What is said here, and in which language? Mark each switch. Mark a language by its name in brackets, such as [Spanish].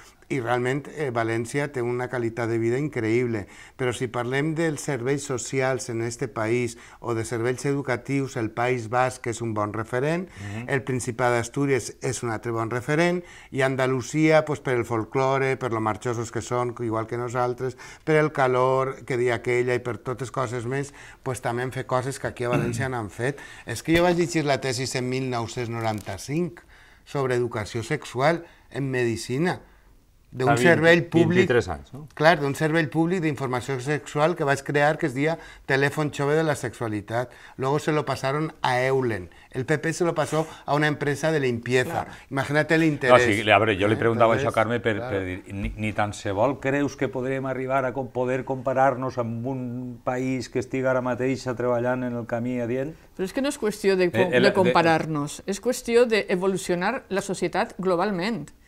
[Catalan] I realment València té una qualitat de vida increïble, però si parlem dels serveis socials en aquest país o de serveis educatius, el País Basc és un bon referent, el Principat d'Astúries és un altre bon referent, i Andalusia, pues, per el folklore, per lo marxosos que són, igual que nosaltres, per el calor que di aquella i per totes coses més, pues, també hem fet coses que aquí a València n'han fet. És que jo vaig llegir la tesis en 1995 sobre educació sexual en medicina, d'un servei públic, 23 anys, no? Clar, d'un servei públic d'informació sexual que vaig crear, que es deia Telèfon Jove de la Sexualitat. [Spanish] Luego se lo pasaron a Eulen. El PP se lo pasó a una empresa de limpieza. Claro. Imagínate el interés. [Catalan] No, sí, a veure, jo li preguntava això a Carme per dir, ni tan se vol, creus que podrem arribar a poder comparar-nos amb un país que estigui ara mateix treballant en el camí adient? Però és que no és qüestió de comparar-nos, és qüestió d'evolucionar la societat globalment.